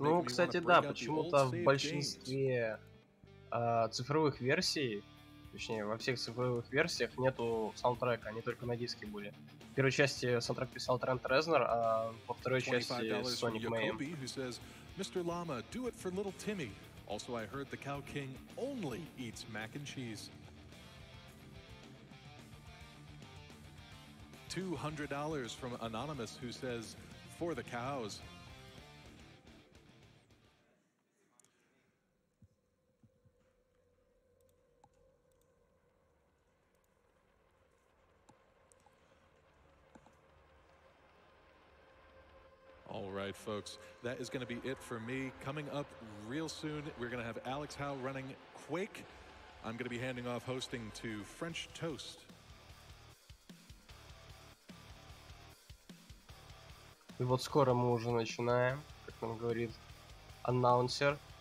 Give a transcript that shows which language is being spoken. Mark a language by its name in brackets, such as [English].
[Russian] Ну, кстати, да, почему-то в большинстве цифровых версий, точнее, во всех цифровых версиях нету саундтрека, они только на диске были. В первой части саундтрек писал Трент Резнер, а во второй части Sonic Mayhem. [English] Mr. Llama, do it for little Timmy. Also, I heard the Cow King only eats mac and cheese. $200 from Anonymous, who says, for the cows. All right, folks, that is going to be it for me. Coming up real soon, we're going to have Alex Howe running Quake. I'm going to be handing off hosting to French Toast. [Russian] И вот скоро мы уже начинаем, как нам говорит анонсер.